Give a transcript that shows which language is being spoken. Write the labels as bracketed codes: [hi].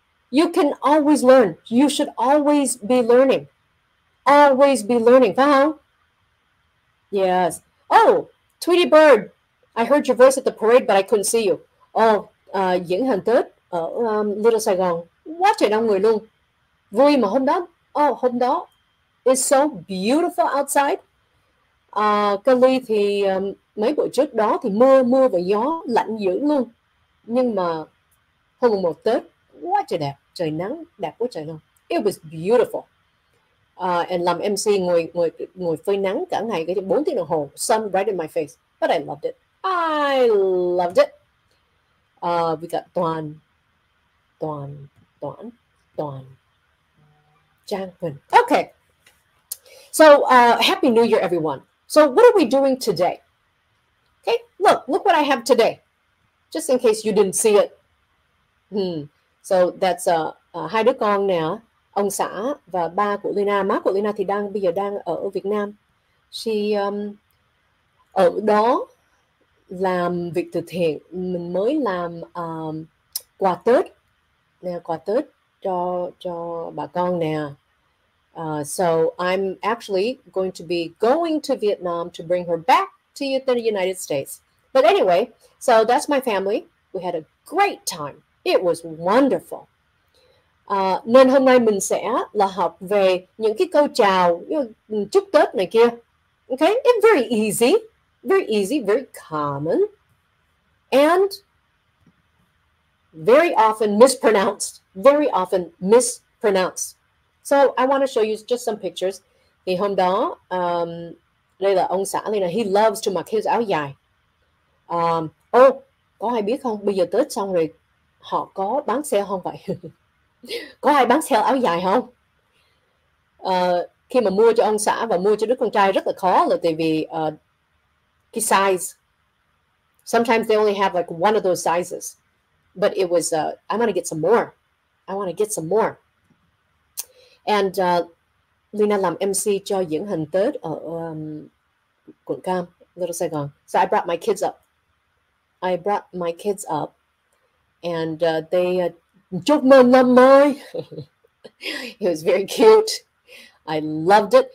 [en] You can always learn. You should always be learning. Always be learning, [vi] phải không? [en] Yes. Oh, Tweety Bird, I heard your voice at the parade, but I couldn't see you. [vi] Diễn hành Tết ở Little Sài Gòn. Quá trời đông người luôn. Vui mà hôm đó. Oh, hôm đó. [en] It's so beautiful outside. [vi] Cali thì mấy buổi trước đó thì mưa và gió lạnh dữ luôn. Nhưng mà hôm một Tết, quá trời đẹp. Trời nắng, đẹp quá trời luôn. [en] It was beautiful. [vi] And làm MC ngồi phơi nắng cả ngày cái 4 tiếng đồng hồ, [en] sun right in my face, but I loved it. We got Toàn Trang Huỳnh. Okay, so Happy New Year, everyone. So what are we doing today? Okay, look what I have today, just in case you didn't see it. So that's [vi] hai đứa con nè. Ông xã và ba của Lina, má của Lina thì bây giờ đang ở Việt Nam. [en] She [vi] ở đó làm việc từ thiện, mình mới làm quà Tết. Nè, quà Tết cho bà con nè. [en] So I'm actually going to be going to Vietnam to bring her back to the United States. But anyway, so that's my family. We had a great time. It was wonderful. [vi] Nên hôm nay mình sẽ là học về những cái câu chào chúc Tết này kia. [en] Okay, it's very easy, very common, and very often mispronounced. So I want to show you just some pictures. [vi] Thì hôm đó, đây là ông xã Lina, [en] he loves to [vi] mặc [en] his [vi] áo dài. Có ai biết không, bây giờ Tết xong rồi, họ có bán xe không vậy? Có ai bán sale áo dài không? Khi mà mua cho ông xã và mua cho đứa con trai rất là khó, là tại vì cái size. [en] Sometimes they only have like one of those sizes. But it was, I want to get some more. [vi] And Lina làm MC cho diễn hành Tết ở Quận Cam, Little Sài Gòn. [en] So I brought my kids up. And they... [vi] Chúc mừng năm mới. [en] It was very cute. I loved it.